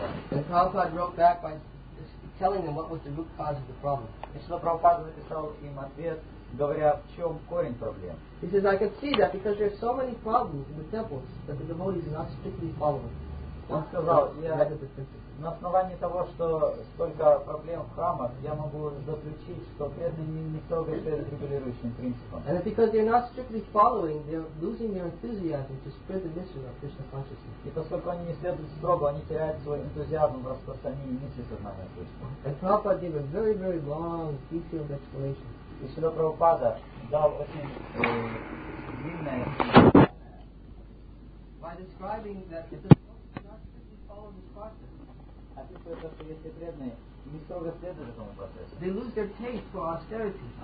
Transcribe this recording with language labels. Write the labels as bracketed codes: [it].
[en] And Prabhupada wrote back by telling them what was the root cause of the problem. [ru] Srila Prabhupada написал им ответ, говоря, в чем корень проблем. [en] He says, I can see that because there are so many problems in the temples that the devotees are not strictly following. [ru] Он сказал, на основании того, что столько проблем в храмах, я могу заключить, что преданные не соответствуют регулирующим принципам. [en] And because they're not strictly following, they're losing their enthusiasm to spread the mission of Krishna consciousness. [ru] И поскольку они не следуют строго, они теряют свой энтузиазм в распространении миссии сознания Кришны. [en] And Prabhupada gave a very, very long, detailed explanation. [ru] И Шрила Прабхупада дал очень длинное. [en] By describing that if they lose their taste for austerity.